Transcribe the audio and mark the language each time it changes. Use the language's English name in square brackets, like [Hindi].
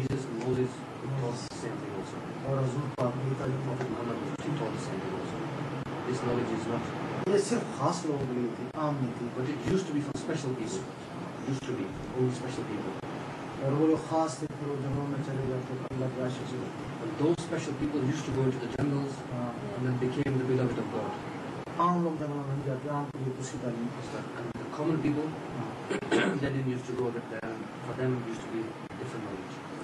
[English] Jesus Moses taught same thing also. [Urdu] اور حضور پاک یہی تعلیم, [English] Prophet Muhammad taught same thing also. This knowledge is not, [Urdu] یہ صرف خاص لوگوں کے لیے تھی, عام نہیں تھی. [English] But it use to be for special people, use to be only special people. [Urdu] اور وہ لوگ خاص تھے, پھر وہ جنگلوں میں چلے جاتے تھے اللہ کے آشیش سے. [English] دو special people use to go to the jungles and then became the beloved of God. [Urdu] عام لوگ جنگلوں میں جاتے ہیں, عام کے لیے کسی تعلیم کا سر. [English] And the common people then in use to go that then for them use to be different knowledge.